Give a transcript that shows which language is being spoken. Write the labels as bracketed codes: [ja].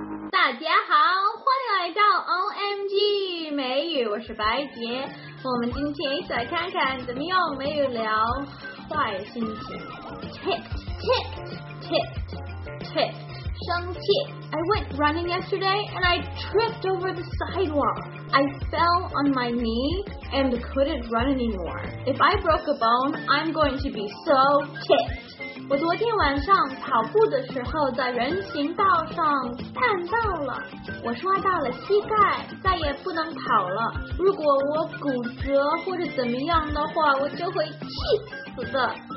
[zh] 大家好，欢迎来到 OMG 美语，我是白杰。我们今天一起来看看怎么用美语聊坏心情。 Ticked, 生气。 [en] I went running yesterday and I tripped over the sidewalk. I fell on my knee and couldn't run anymore. If I broke a bone, I'm going to be so ticked. [zh] 我昨天晚上跑步的时候在人行道上绊到了，我摔到了膝盖，再也不能跑了。如果我骨折或者怎么样的话，我就会气死的。